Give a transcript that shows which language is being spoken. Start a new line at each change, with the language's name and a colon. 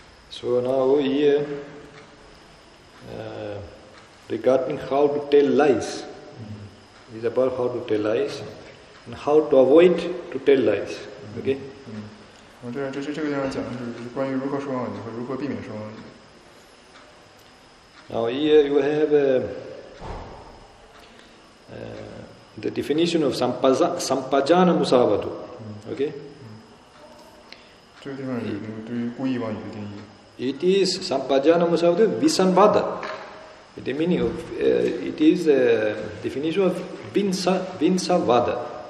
English: So now here, regarding how to tell lies, it's about how to tell lies. and how to avoid to tell lies. Okay.
Chinese: 嗯，这个地方讲的是关于如何说谎和如何避免说谎。
English: Now here you have the definition of sampajana musavatu. Okay.
Chinese: 这个地方有对于故意妄语的定义。
English: It is sampajana musavatu visanvada. The meaning of it is a definition of vinsavada.